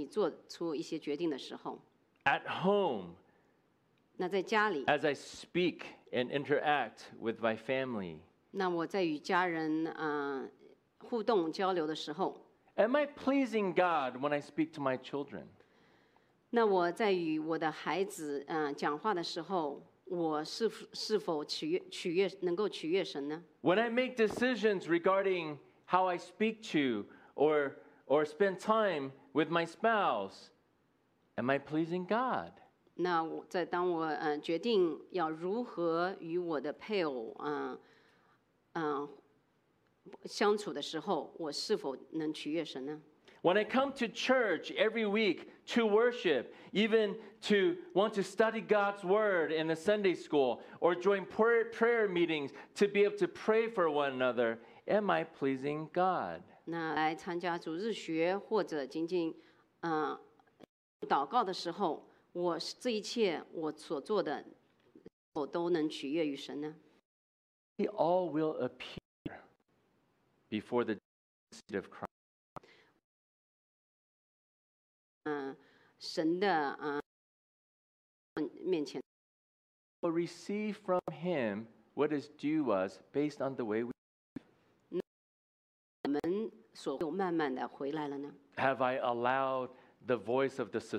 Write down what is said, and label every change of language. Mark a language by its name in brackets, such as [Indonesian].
[Chinese] 你做出一些决定的时候 [English] at home [Chinese] 那在家里 [English] as I speak and interact with my family [Chinese] 那我在与家人互动交流的时候 [English] am I pleasing God when I speak to my children? [Chinese] 那我在与我的孩子讲话的时候，我是否能够取悦神呢？ [English] When I make decisions regarding how I speak to or spend time with my spouse, am I pleasing God? [Chinese] 那我在当我决定要如何与我的配偶相处的时候，我是否能取悦神呢？ [English] When I come to church every week to worship, even to want to study God's word in the Sunday school or join prayer meetings to be able to pray for one another, am I pleasing God? [Chinese] 那来参加主日学或者仅仅祷告的时候，我这一切我所做的，我都能取悦于神呢？ [English] We all will appear. Before the seat of Christ. [Chinese] 神的面前 [English] We'll receive from him what is due us based on the way we live. 我们所又慢慢的回来了呢 Have I allowed the voice of the system?